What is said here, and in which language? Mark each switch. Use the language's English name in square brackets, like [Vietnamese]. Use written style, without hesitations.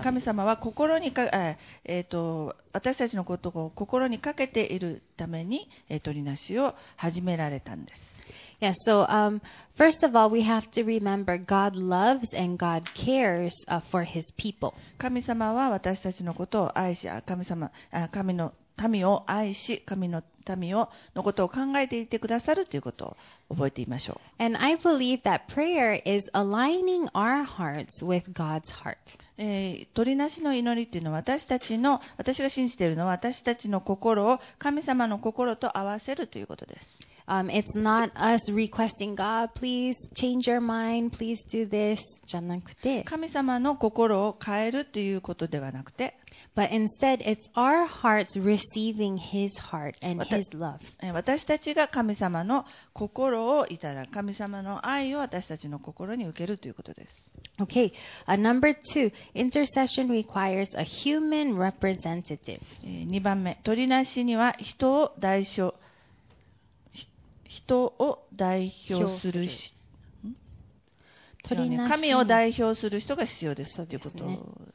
[Japanese] 神様は心にか、私たちのことを心にかけているために、取りなしを始められたんです。 [English] Yeah, so, first of all, we have to remember God loves and God cares for his people. [Japanese] 神様は私たちのことを愛し、神の民を愛し、神の民をのことを考えていてくださるということを覚えていましょう。 [English] And I believe that prayer is aligning our hearts with God's heart. [Japanese] 取りなしの祈りというのは私が信じているのは私たちの心を神様の心と合わせるということです。 [English] It's not us requesting God, please change your mind, please do this, [Japanese] じゃなくて、神様の心を変えるということではなくて、 [English] But instead, it's our hearts receiving His heart and His love. [Japanese] 私たちが神様の心をいただく、神様の愛を私たちの心に受けるということです。 [English] Okay, number two, intercession requires a human representative. [Japanese] 2番目、取りなしには人を代表する神を代表する人が必要ですということ。